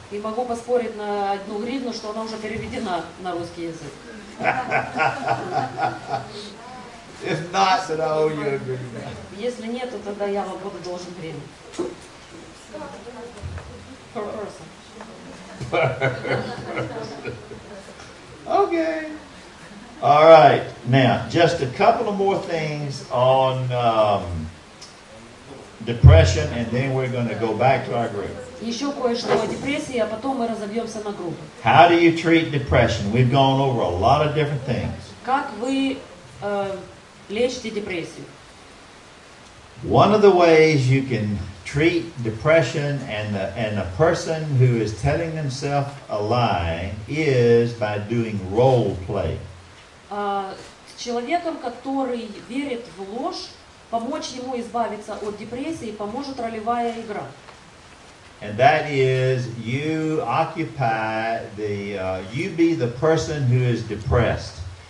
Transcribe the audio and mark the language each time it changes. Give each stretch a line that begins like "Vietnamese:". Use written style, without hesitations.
Russian: И могу поспорить на одну гривну, что она уже переведена на русский язык.
English: If not, then I owe you a Grievna.
Russian: Если нет, то тогда я вам буду должен гривну.
English: Per person. Okay. All right. Now, just a couple of more things on depression, and then we're going to go back to our group.
Russian: Еще кое-что о депрессии, а потом мы разобьемся на группы.
English: How do you treat depression? We've gone over a lot of different things.
Russian: Как вы лечите депрессию?
English: One of the ways you can treat depression and a person who is telling themselves a lie is by doing role play.
Russian: Человеком, который верит в ложь, помочь ему избавиться от депрессии поможет ролевая игра.
English: And that is you occupy the you be the person who is depressed.